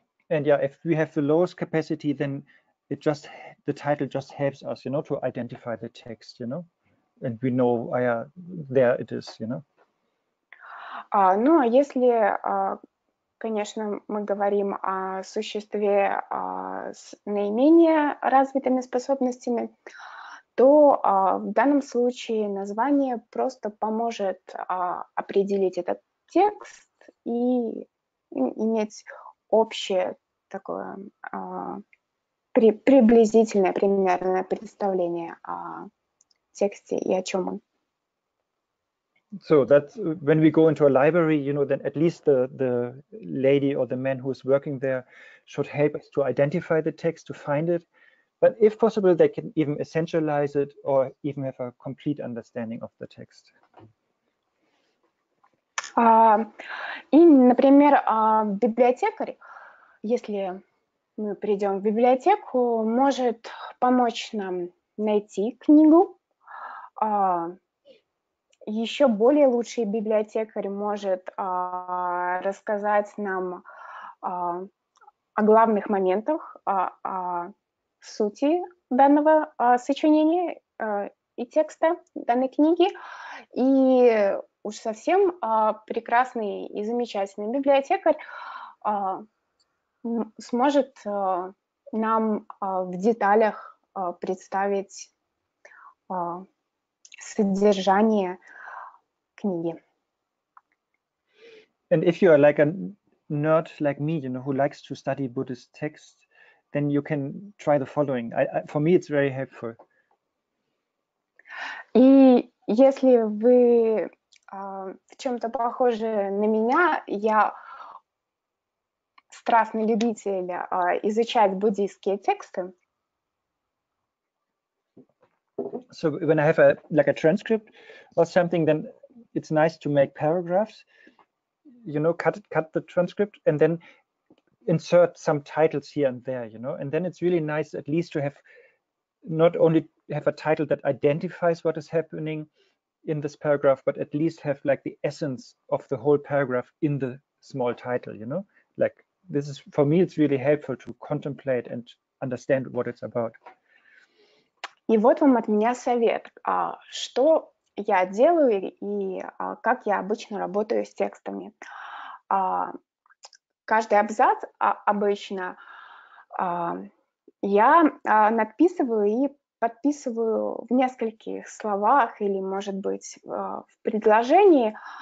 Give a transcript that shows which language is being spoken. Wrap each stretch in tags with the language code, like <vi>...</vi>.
<en>And yeah, if we have the lowest capacity, then it just the title just helps us, you know, to identify the text, you know. And we know, yeah, there it is, you know.</en> <ru>Ну, а если, конечно, мы говорим о существе с наименее развитыми способностями, то в данном случае название просто поможет определить этот текст и иметь общее такое приблизительное примерное представление о тексте и о чем он.</ru> <en>So that's when we go into a library, you know, then at least the lady or the man who is working there should help us to identify the text, to find it. But if possible, they can even essentialize it or even have a complete understanding of the text.</en> <ru>И, например, библиотекарь, если мы придем в библиотеку, может помочь нам найти книгу. Еще более лучший библиотекарь может рассказать нам о главных моментах, о сути данного сочинения и текста данной книги. И уж совсем прекрасный и замечательный библиотекарь сможет нам в деталях представить содержание книги.</ru> <en>And if you are like a nerd like me, you know, who likes to study Buddhist texts, then you can try the following. For me, it's very helpful.</en> <ru>И если вы в чем-то похожи на меня, я страстный любитель изучать буддийские тексты.</ru> <en>So when I have a like a transcript or something, then it's nice to make paragraphs, you know, cut the transcript and then insert some titles here and there, you know, and then it's really nice at least to have not only have a title that identifies what is happening in this paragraph, but at least have like the essence of the whole paragraph in the small title, you know, like this is for me, it's really helpful to contemplate and understand what it's about.</en> <ru>И вот вам от меня совет, что я делаю и как я обычно работаю с текстами. Каждый абзац обычно я надписываю и подписываю в нескольких словах или, может быть, в предложении.</ru>